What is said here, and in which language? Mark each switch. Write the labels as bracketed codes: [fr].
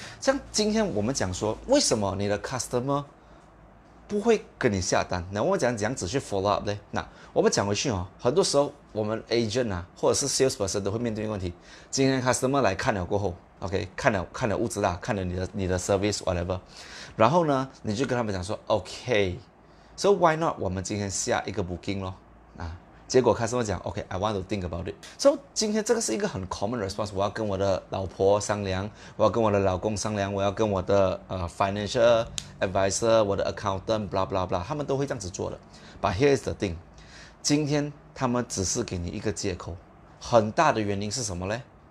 [zh] 像今天我们讲说，为什么你的 customer 不会跟你下单？那我们讲怎样子去 [en] follow up [zh] 呢？那我们讲回去哦，很多时候我们 agent 啊，或者是 [en] sales person [zh] 都会面对一个问题：今天 customer 来看了过后，OK，看了屋子啦，看了你的 [en] service whatever， [zh] 然后呢，你就跟他们讲说 OK。 [en] So why not [zh] 我们今天下一个 booking 咯，结果开始会讲 [en] OK I want to think about it。 [zh] So 今天这个是一个很 [en] common response， [zh] 我要跟我的老婆商量，我要跟我的老公商量，我要跟我的 [en] financial advisor， [zh] 我的 accountant [en] blah blah blah， [zh] 他们都会这样子做的。 [en] But here is the thing， [zh] 今天他们只是给你一个借口，很大的原因是什么呢？